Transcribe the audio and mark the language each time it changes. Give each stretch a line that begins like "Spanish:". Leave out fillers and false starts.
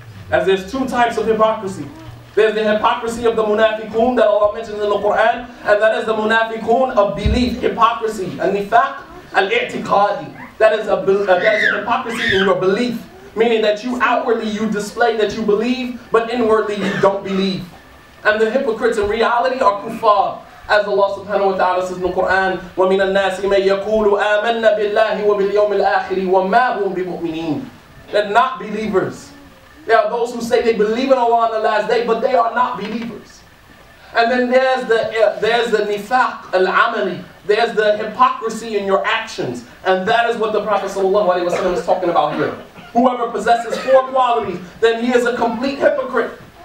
English: As there's two types of hypocrisy. There's the hypocrisy of the munafiqun that Allah mentions in the Quran, and that is the munafiqun of belief, hypocrisy, al-nifaq, al-i'tiqadi. That is a hypocrisy in your belief, meaning that you outwardly, you display that you believe, but inwardly you don't believe. And the hypocrites in reality are kuffar. As Allah subhanahu wa ta'ala says in the Quran,
Arabic: وَمِنَ النَّاسِ مَنْ يَقُولُ آمَنَّ بِاللَّهِ وَبِالْيَوْمِ الْآخِرِ وَمَا هُمْ بِمُؤْمِنِينَ.
English: They're not believers. There are those who say they believe in Allah on the last day, but they are not believers. And then there's the nifaq al-amali. There's the hypocrisy in your actions. And that is what the Prophet sallallahu alaihi wasallam is talking about here. Whoever possesses four qualities, then he is a complete hypocrite.